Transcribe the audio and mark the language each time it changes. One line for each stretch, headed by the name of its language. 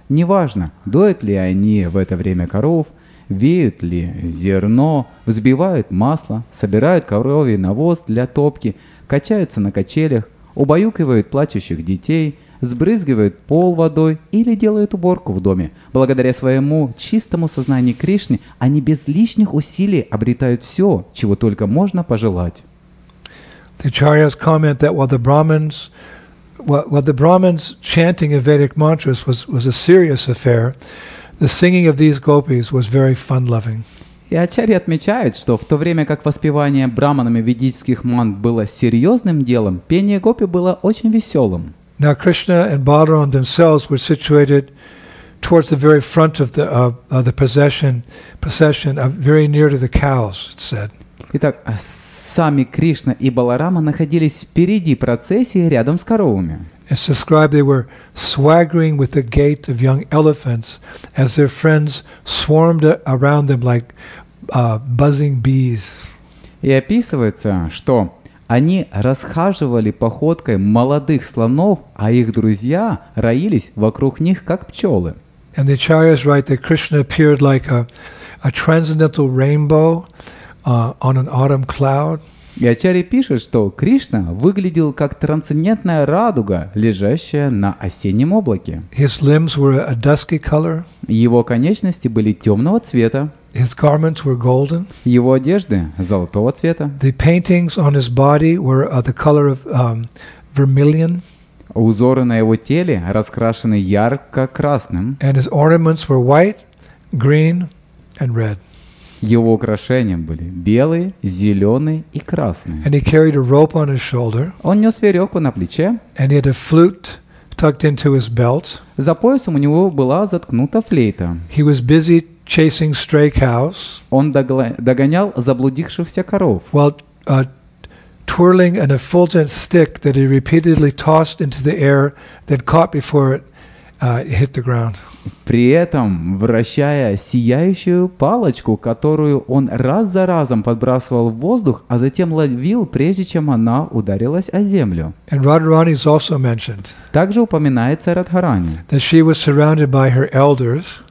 Russian: Неважно, доят ли они в это время коров, веют ли зерно, взбивают масло, собирают коровий навоз для топки, качаются на качелях, убаюкивают плачущих детей, сбрызгивают пол водой или делают уборку в доме. Благодаря своему чистому сознанию Кришны, они без лишних усилий обретают все, чего только можно пожелать.
English: The Acharya's comment that while the Brahmins chanting of Vedic mantras was a serious affair, the singing of these gopis was very fun-loving.
Russian: И Ачарья отмечает, что в то время как воспевание брахманами ведических мант было серьезным делом, пение гопи было очень веселым.
English: Now Krishna and Balaram themselves were situated towards the very front of the procession, very near to the cows, it said.
Russian: Итак, сами Кришна и Баларама находились впереди процессии рядом с коровами.
English: It's described they were swaggering with the gait of young elephants as their friends swarmed around them like buzzing bees.
Russian: И описывается, что они расхаживали походкой молодых слонов, а их друзья роились вокруг них, как пчелы.
English: And the acharyas write that Krishna appeared like a transcendental rainbow on an autumn cloud.
Russian: И Ачарьи пишут, что Кришна выглядел как трансцендентная радуга, лежащая на осеннем облаке.
English: His limbs were a dusky color.
Russian: Его конечности были темного цвета.
English: His garments were golden.
Russian: Его одежды золотого цвета.
English: The paintings on his body were the color of vermilion.
Russian: Узоры на его теле раскрашены ярко-красным.
English: And his ornaments were white, green, and red.
Russian: Его украшения были белые, зеленые и красные.
English: And he carried a rope on his shoulder.
Russian: Он нес веревку на плече.
English: And he had a flute tucked into his belt.
Russian: За поясом у него была заткнута флейта.
English: He was busy chasing stray cows.
Russian: Он догонял заблудившихся коров.
English: While twirling an effulgent stick that he repeatedly tossed into the air that caught before it. Hit the ground.
Russian: При этом вращая сияющую палочку, которую он раз за разом подбрасывал в воздух, а затем ловил, прежде чем она ударилась о землю.
English: And Radharani is also mentioned.
Russian: Также упоминается Радхарани.
English: That she was surrounded by her elders.